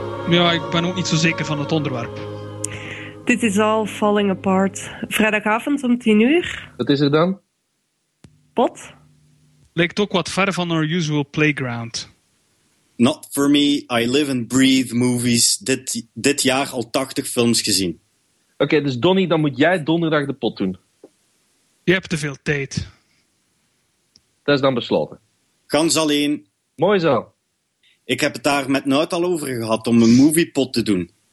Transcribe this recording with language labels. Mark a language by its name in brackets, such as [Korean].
[Dutch] Ja, ik ben ook niet zo zeker van het onderwerp. Dit is [English] all falling apart. [Dutch] Vrijdagavond om 10 uur. Wat is er dan? Pot? Lijkt ook wat ver van [English] our usual playground. Not for me, I live and breathe movies. [Dutch] Dit jaar al 80 films gezien. Oké, dus Donnie, dan moet jij donderdag de pot doen. Je hebt te veel tijd. Dat is dan besloten. Gans alleen. Mooi zo. Ik heb het daar met Nout al over gehad om een moviepot te doen.